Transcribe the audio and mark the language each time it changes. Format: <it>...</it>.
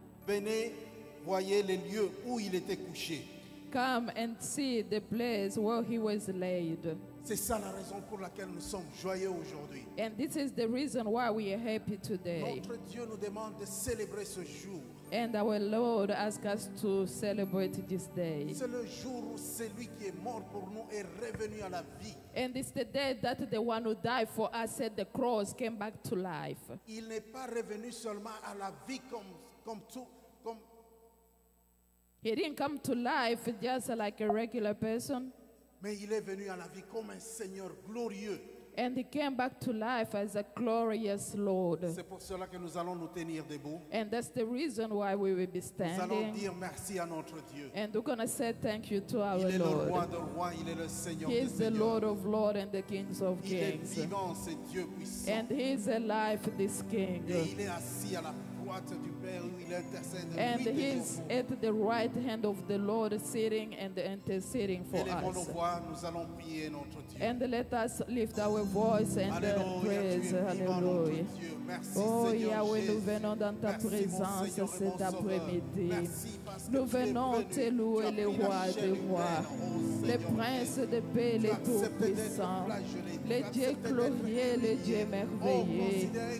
<fr>Venez, voyez les lieux où il était couché.</fr> <en>Come and see the place where he was laid.</en> <fr>C'est ça la raison pour laquelle nous sommes joyeux aujourd'hui.</fr> <en>And this is the reason why we are happy today.</en> <fr>Notre Dieu nous demande de célébrer ce jour.</fr> <en>And our Lord asks us to celebrate this day.</en> <fr>C'est le jour où celui qui est mort pour nous est revenu à la vie.</fr> <en>And it's the day that the one who died for us at the cross came back to life.</en> <fr>Il n'est pas revenu seulement à la vie comme tout.</fr> <en>He didn't come to life just like a regular person.</en> <fr>Mais il est venu à la vie comme un Seigneur glorieux.</fr> <en>And he came back to life as a glorious Lord.</en> <fr>C'est pour cela que nous allons nous tenir debout.</fr> <en>And that's the reason why we will be standing.</en> <fr>Nous allons dire merci à notre Dieu.</fr> <en>And we're going to say thank you to our Lord.</en> <fr>Il est le roi de rois, il est le Seigneur des seigneurs.</fr> <en>He is the Lord of lords and the kings of kings.</en> <fr>Il est vivant, c'est Dieu puissant.</fr> <en>And he is alive, this King.</en> <fr>Et il est assis à la droite du Père où il intercède.</fr> <en>And he is at the right hand of the Lord, sitting and interceding for us.</en> <fr>Élevons nos voix, nous allons prier notre Dieu.</fr> <en>And let us lift our voice and praise. Hallelujah. Oh</en> <fr>Yahweh, nous venons dans ta présence cet après-midi. Nous venons te louer, le roi des rois, le prince de paix, le tout puissant, le Dieu glorieux, le Dieu merveilleux.</fr>